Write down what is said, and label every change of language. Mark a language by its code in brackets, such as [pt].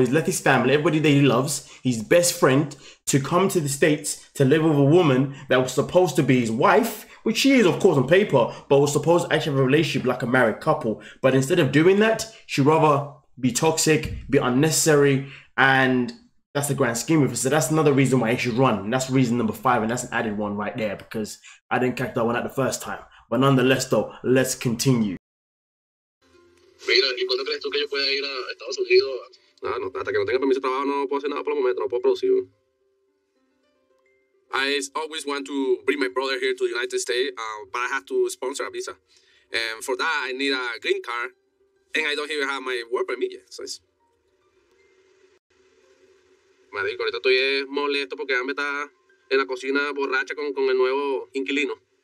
[en] He's left his family, everybody that he loves, his best friend, to come to the States to live with a woman that was supposed to be his wife, which she is, of course, on paper, but was supposed to actually have a relationship like a married couple. But instead of doing that, she'd rather be toxic, be unnecessary, and that's the grand scheme of it. So that's another reason why he should run. And that's reason number five, and that's an added one right there because I didn't catch that one out the first time. But nonetheless, though, let's continue. [es] Mira, ¿y cuándo crees tú que yo pueda ir a Estados Unidos? Nada, no, hasta que no tenga permiso de trabajo no puedo hacer nada por el momento, no puedo producir. [en] I always want to bring my brother here to the United States, but I have to sponsor a visa. And for that, I need a green card, and I don't even have my work permit yet, so it's... [es] Madre, ahorita estoy molesto porque Amber está en la cocina borracha con el nuevo inquilino.